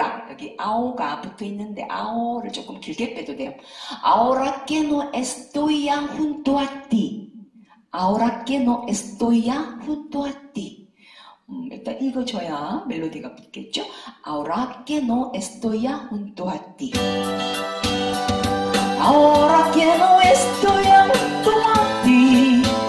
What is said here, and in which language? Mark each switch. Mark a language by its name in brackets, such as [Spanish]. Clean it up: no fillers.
[Spanish] 여기 아오가 붙어 있는데 아오를 조금 길게 빼도 돼요. Ahora que no estoy ya junto a ti. Ahora que no estoy ya junto a ti. [Korean] 일단 읽어줘야 멜로디가 붙겠죠? [Spanish] Ahora que no estoy ya junto a ti. Ahora que no estoy ya junto a ti.